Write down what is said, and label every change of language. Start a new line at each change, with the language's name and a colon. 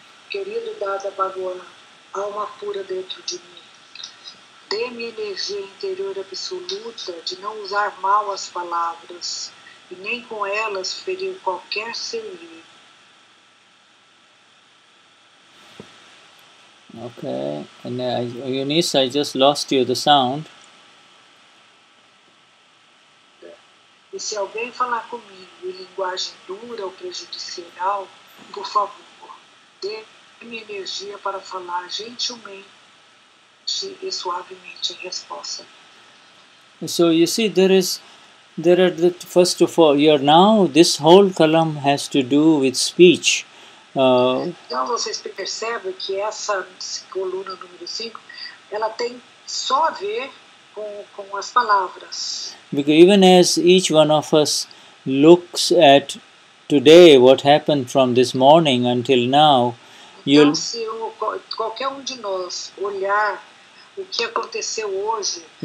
Portuguese: Querido Dada Bhagwan, alma pura dentro de mim. Dê-me energia interior absoluta de não usar mal as palavras e nem com elas ferir qualquer ser vivo.
English: Okay. And Eunice, I just lost you the sound.
Portuguese: E se alguém falar comigo em linguagem dura ou prejudicial, por favor, dê-me energia para falar gentilmente e suavemente em resposta.
English: So you see, there are the first of all, you are now, this whole kalam has to do with speech.
Portuguese: Então vocês percebem que essa coluna número 5, ela tem só a ver com as palavras.
English: Because even as each one of us looks at today, what happened from this morning until now, you'll...
Portuguese: Então, se qualquer de nós olhar o que aconteceu hoje,